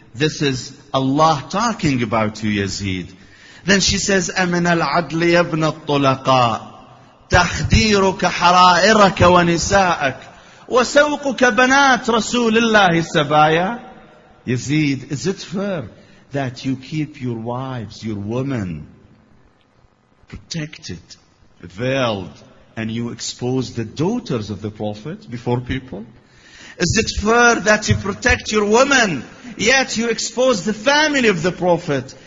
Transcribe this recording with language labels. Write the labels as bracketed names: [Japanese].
[English] This is Allah talking about you, Yazid. Then she says, [Arabic] أَمِنَ الْعَدْلِ يَبْنَ الطُّلَقَاءِ تَخْدِيرُكَ حَرَائِرَكَ وَنِسَاءَكَ وَسَوْقُكَ بَنَاتْ رَسُولِ اللَّهِ السَّبَايَا. [English] Yazid, is it fair that you keep your wives, your women, protected, veiled, and you expose the daughters of the Prophet before people? Is it fair that you protect your woman, yet you expose the family of the Prophet?